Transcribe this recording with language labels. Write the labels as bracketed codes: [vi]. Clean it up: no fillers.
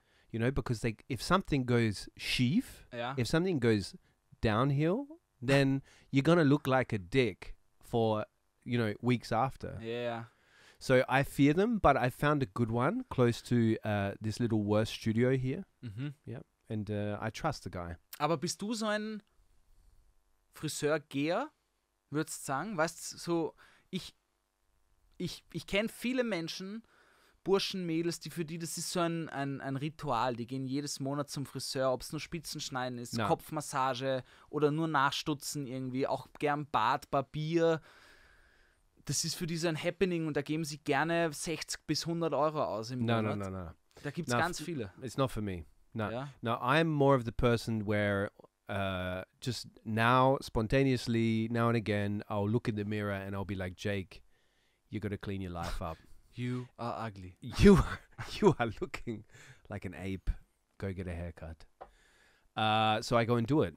[en] You know, because they, if something goes schief, if something goes downhill, then you're going to look like a dick for, you know, weeks after. Yeah. So I fear them, but I found a good one close to this little Wurst studio here. Mm-hmm. Yeah. And I trust the guy. [de] Aber bist du so ein Friseur-Geher, würdest du sagen? Weißt du, so ich... Ich kenne viele Menschen, Burschen, Mädels, die für die, das ist so ein Ritual. Die gehen jedes Monat zum Friseur, ob es nur Spitzenschneiden ist, Kopfmassage oder nur Nachstutzen irgendwie, auch gern Bart, Barbier. Das ist für die so ein Happening und da geben sie gerne 60 bis 100 Euro aus im Monat. [en] No. [de] Da gibt es ganz viele. [en] It's not for me. No. Yeah? No, I'm more of the person where just now, spontaneously, now and again, I'll look in the mirror and I'll be like, Jake, you got to clean your life up. You are ugly. You are looking like an ape. Go get a haircut. So I go and do it.